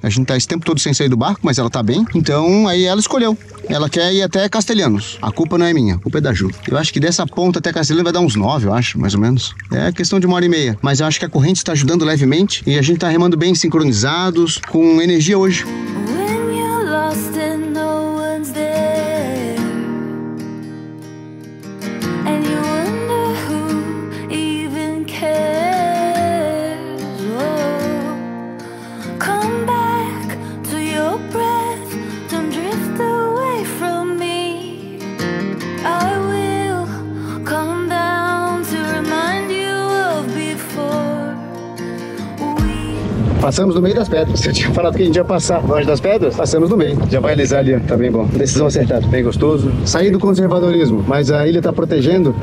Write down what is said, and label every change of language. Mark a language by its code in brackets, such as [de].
[pt] A gente tá esse tempo todo sem sair do barco, mas ela tá bem. Então, aí ela escolheu. Ela quer ir até Castelhanos. A culpa não é minha, a culpa é da Ju. Eu acho que dessa ponta até Castelhanos vai dar uns 9, eu acho, mais ou menos. É questão de 1h30. Mas eu acho que a corrente está ajudando levemente e a gente está remando bem sincronizados, com energia hoje. [en] When you're lost and no one's there, and you wonder who even cares. Oh, come back to your breath. Don't drift away from me. I will come down to remind you of before. [pt] Passamos no meio das pedras. Eu tinha falado que a gente ia passar longe das pedras. Passamos no meio. Já vai alisar ali. Tá bem bom. Decisão acertada. Bem gostoso. Saí do conservadorismo, mas a ilha tá protegendo.